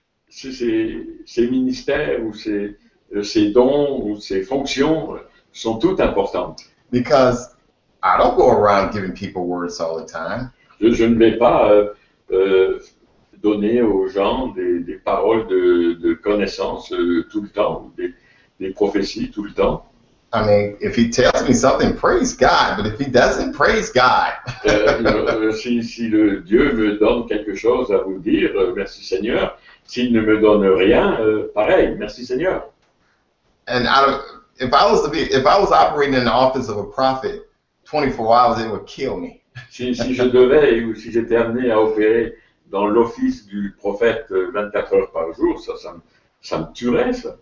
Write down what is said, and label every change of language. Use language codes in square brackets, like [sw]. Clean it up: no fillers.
[fr] Ces ministères ou ces dons ou ces fonctions sont toutes importantes. [en] Because I don't go around giving people words all the time. [fr] Je ne vais pas donner aux gens des paroles de connaissance tout le temps, des prophéties tout le temps. [en] I mean, if he tells me something, praise God. But if he doesn't, praise God. [fr] si le Dieu me donne quelque chose à vous dire, merci Seigneur. S'il ne me donne rien, pareil, merci Seigneur. [en] And if I was operating in the office of a prophet, 24 hours, it would kill me. [fr] si j'étais amené à opérer dans l'office du prophète 24 heures par jour, ça me tuerait, ça.